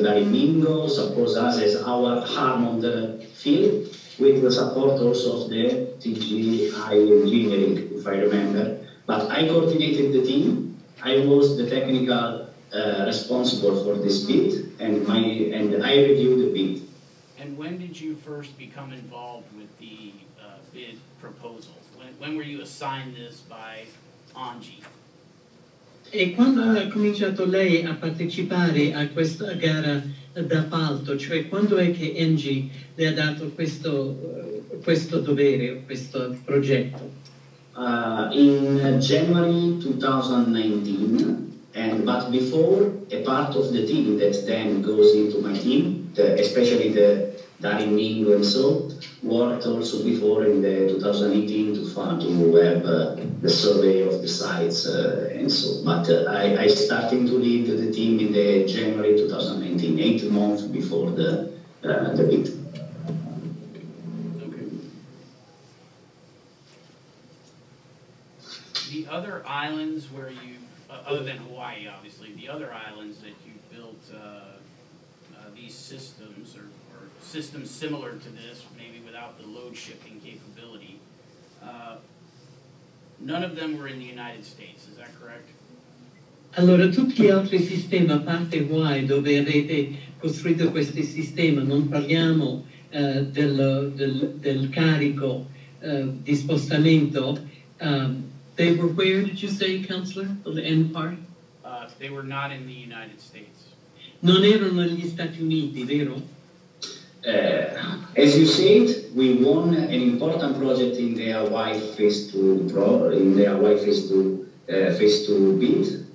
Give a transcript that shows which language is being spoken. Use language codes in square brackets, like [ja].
[en] Darimingo supports us as our arm on the field with the support also of the TGI Engineering, if I remember. But I coordinated the team. I was the technical responsible for this bid, and my and I reviewed the bid. And when did you first become involved with the bid proposal? When were you assigned this by ANGI? [it] E quando ha cominciato lei a partecipare a questa gara d'appalto, cioè quando è che ENGIE le ha dato questo, questo dovere, questo progetto? [en] In January 2019, and but before, a part of the team that then goes into my team, the, especially the Darin Ming and so, worked also before in the 2018 to have the survey of the sites and so. But I started to lead the team in the January 2019, 8 months before the bid. Okay. The other islands where you, other than Hawaii, obviously, the other islands that you built these systems or systems similar to this, maybe without the load shifting capability. None of them were in the United States, is that correct? [it] Allora, tutti gli altri sistemi, a parte Hawaii, dove avete costruito questi sistemi, non parliamo del carico di spostamento. [en] They were where, did you say, counselor, for the end part? They were not in the United States. [it] Non erano negli Stati Uniti, vero? [en] As you said, we won an important project in the Hawaii Phase 2 Phase 2 bid.